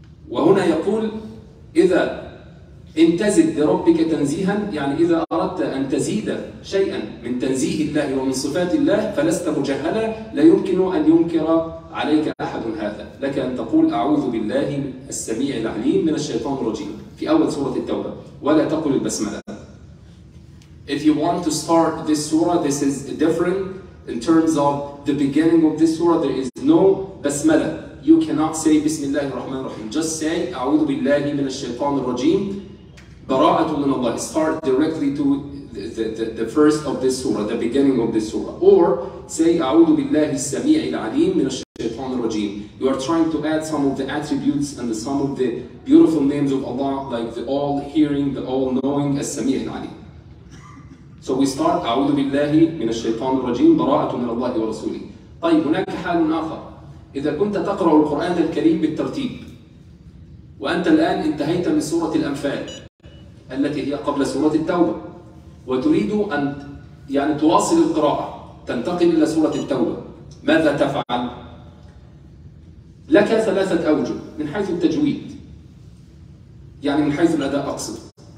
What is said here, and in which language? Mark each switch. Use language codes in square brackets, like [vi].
[ar] وهنا يقول إذا إن تزد لربك تنزيها, يعني إذا أردت أن تزيد شيئا من تنزيه الله ومن صفات الله فلست مجهلا, لا يمكن أن ينكر عليك أحد هذا. لك أن تقول أعوذ بالله السميع العليم من الشيطان الرجيم في أول سورة التوبة, ولا تقل البسملة. [en] If you want to start this surah, this is different in terms of the beginning of this surah. There is no بسملة. You cannot say [ar] بسم الله الرحمن الرحيم. [en] Just say [ar] أعوذ بالله من الشيطان الرجيم. براءة من الله, [en] start directly to the first of this surah, the beginning of this surah. Or say [ar] أعوذ بالله السميع العليم من الشيطان الرجيم. [en] You are trying to add some of the attributes and some of the beautiful names of Allah, like the all hearing, the all knowing, [ar] السميع العليم. [en] So we start [ar] أعوذ بالله من الشيطان الرجيم, براءة من الله ورسوله. طيب هناك حال آخر, إذا كنت تقرأ القرآن الكريم بالترتيب وأنت الآن انتهيت من سورة الأنفال التي هي قبل سورة التوبة, وتريد أن يعني تواصل القراءة تنتقل إلى سورة التوبة, ماذا تفعل؟ لك ثلاثة أوجه من حيث التجويد, يعني من حيث الأداء أقصد.